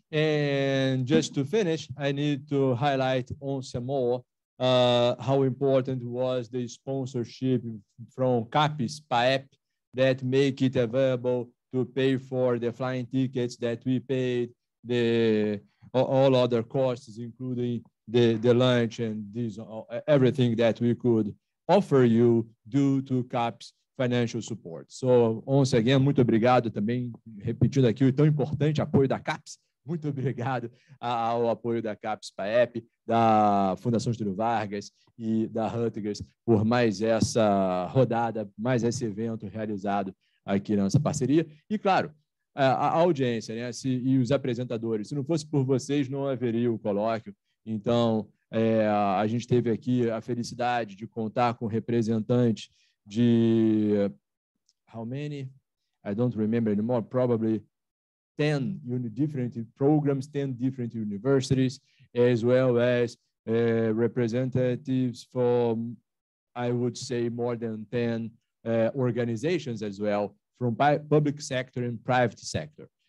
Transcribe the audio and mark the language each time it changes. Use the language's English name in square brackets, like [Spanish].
[English] And just to finish, I need to highlight once more how important was the sponsorship from CAPES, PAEP, that make it available to pay for the flying tickets that we paid, the all other costs, including the lunch and this, everything that we could offer you due to CAPES financial support. So, once again, [Portuguese] muito obrigado também, repetindo aqui o tão importante apoio da CAPES. Muito obrigado ao apoio da CAPES PAEP, da Fundação Getúlio Vargas e da Rutgers por mais essa rodada, mais esse evento realizado aqui na nossa parceria. E, claro, a audiência, né, e os apresentadores. Se não fosse por vocês, não haveria o colóquio. Então, a gente teve aqui a felicidade de contar com representantes de... [English] How many? I don't remember anymore. Probably 10 different programs, 10 different universities, as well as representatives from, I would say, more than 10 organizations as well, from public sector and private sector.